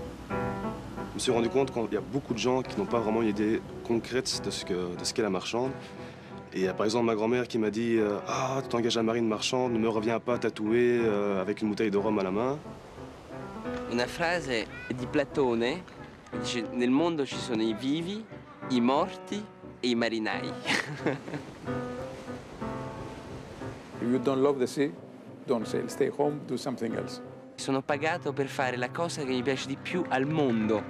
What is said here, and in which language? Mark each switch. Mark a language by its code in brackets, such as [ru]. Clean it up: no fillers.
[fr] me suis rendu compte qu'il y a beaucoup de gens qui n'ont pas vraiment une idée concrète de ce qu'est la marchande. Et il y a par exemple ma grand-mère qui m'a dit « Ah, tu t'engages à marine marchande, ne me reviens pas tatoué avec une bouteille de rhum à la main. » Une phrase de Platone, il dit « [it] Nel mondo ci sono i vivi, i morti et i marinai. [en] » If you don't love the sea, don't sail. Stay home, do something else. [it] Sono pagato per fare la cosa che mi piace di più al mondo.